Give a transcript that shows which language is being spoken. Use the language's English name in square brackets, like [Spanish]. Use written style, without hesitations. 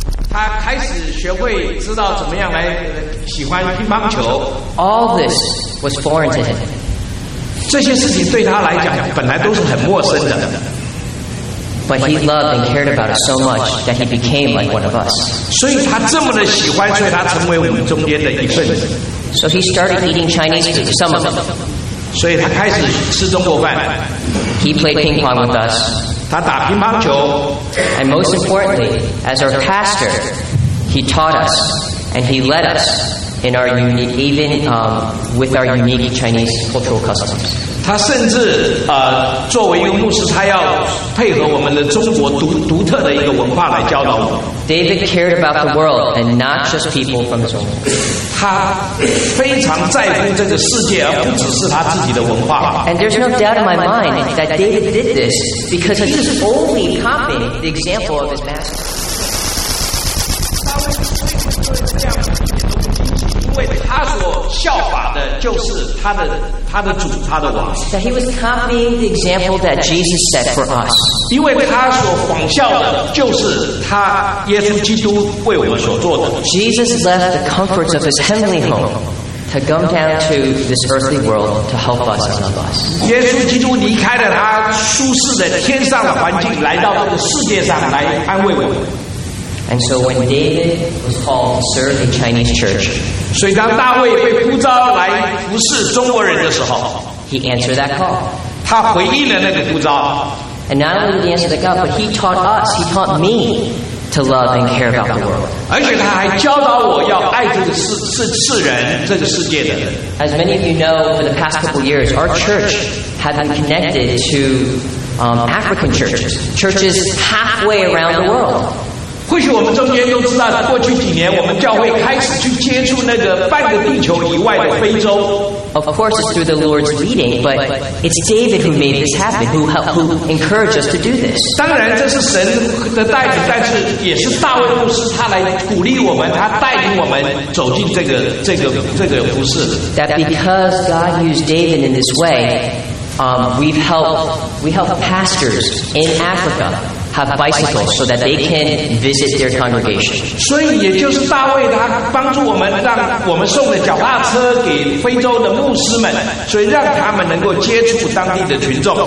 [Chinese] 他开始学会知道怎么样来喜欢乒乓球。 [English] All this was foreign to him. [Chinese] 这些事情对他来讲本来都是很陌生的。 [English] But he loved and cared about us so much that he became like one of us. [Chinese] 所以他这么的喜欢，所以他成为我们中间的一份子。 [English] So he started eating Chinese food, some of them. [Chinese] 所以他开始吃中国饭。 [English] He played ping pong with us. [Chinese] 他打乒乓球。 [English] And most importantly, as our pastor, he taught us and he led us in our unique, even with our unique Chinese cultural customs. [Chinese] 他甚至作为一个牧师，他要配合我们的中国独特的一个文化来教导我们。 [English] David cared about the world and not just people from his own. [Chinese] 他非常在乎这个世界，而不只是他自己的文化。 [English] And there's no doubt in my mind that David did this because he is only copying the example of his master. [Chinese] 大卫为什么会这样？因为他所效法的就是他的主，他的王。 [English] That he was copying the example that Jesus set for us. [Chinese] 因为他所仿效的就是他耶稣基督为我们所做的。 [English] Jesus left the comforts of his heavenly home to come down to this earthly world to help us and love us. [Chinese] 耶稣基督离开了他舒适的天上的环境，来到这个世界上来安慰我们。 [English] And so when David was called to serve the Chinese church, [Chinese] 所以当大卫被呼召来服侍中国人的时候， [English] he answered that call. [Chinese] 他回应了那个呼召。 [English] And not only did he answer the call, but he taught us, he taught me to love and care about the world. [Chinese] 而且他还教导我要爱这个世人，这个世界的。 [English] As many of you know, for the past couple years, our church has been connected to African churches halfway around the world. [Chinese] 或许我们中间都知道，过去几年我们教会开始去接触那个半个地球以外的非洲。 [English] Of course, it's through the Lord's leading, but it's David who made this happen, who encouraged us to do this. [Chinese] 当然这是神的带领，但是也是大卫牧师他来鼓励我们，他带领我们走进这个服事。 [English] That because God used David in this way, we help pastors in Africa. Have bicycles so that they can visit their congregation. [Chinese] 所以也就是大卫他帮助我们，让我们送了脚踏车给非洲的牧师们，所以让他们能够接触当地的群众。